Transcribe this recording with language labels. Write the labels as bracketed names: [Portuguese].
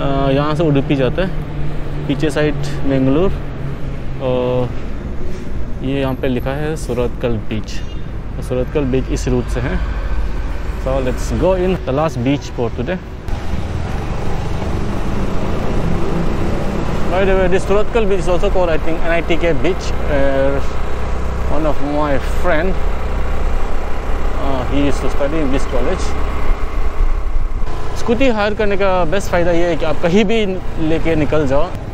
[Hindi] यहाँ से UDP जाते हैं, पीछे साइड मैंगलोर और ये यहाँ पे लिखा है सूरतकल बीच। सूरतकल बीच इस रूट से है, [English] So let's go in the last beach for today. By the way, this Suratkal beach is also called, I think, NITK beach. One of my friend, he used to study in this college. [Hindi] Scooty hire करने का best फायदा ये है कि आप कहीं भी लेके निकल जाओ।